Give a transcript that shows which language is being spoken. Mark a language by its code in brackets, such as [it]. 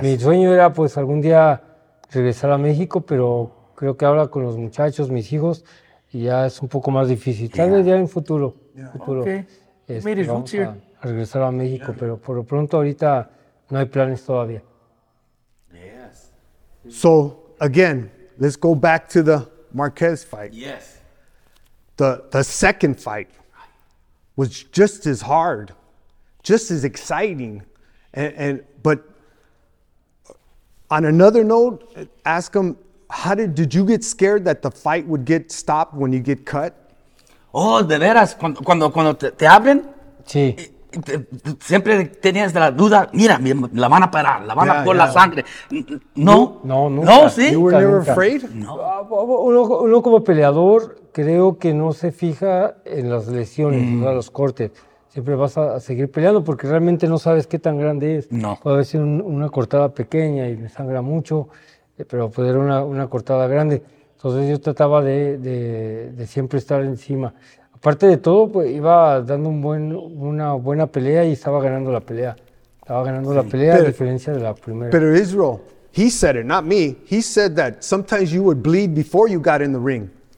[es] Mi sueño era, pues, algún día regresar a México, pero creo que ahora con los muchachos, mis hijos. Ya es un poco más difícil. Tal vez ya en futuro. [en] Yeah. [es] Futuro. [en] Okay. Made his roots here. [es] A regresar a México, pero por lo pronto ahorita no hay planes todavía. [en] Yes. So, again, let's go back to the Marquez fight. Yes. The second fight was just as hard, just as exciting. But on another note, ask him, did you get scared that the fight would get stopped when you get cut? [es] Oh, de veras, cuando te hablen, sí. Siempre tenías la duda, mira, la van a parar, la van a por la sangre. No. No, nunca. No, sí. [en] You were never afraid? [es] No. Uno como peleador, creo que no se fija en las lesiones, en los cortes. Siempre vas a seguir peleando porque realmente no sabes qué tan grande es. No. Puede ser una cortada pequeña y me sangra mucho. Pero pues era una cortada grande. Entonces yo trataba de siempre estar encima. Aparte de todo, pues iba dando una buena pelea y estaba ganando la pelea. Estaba ganando la pelea, a diferencia de la primera. [en] Pero Israel, he said it, not me. He said that sometimes you would bleed before you got in the ring.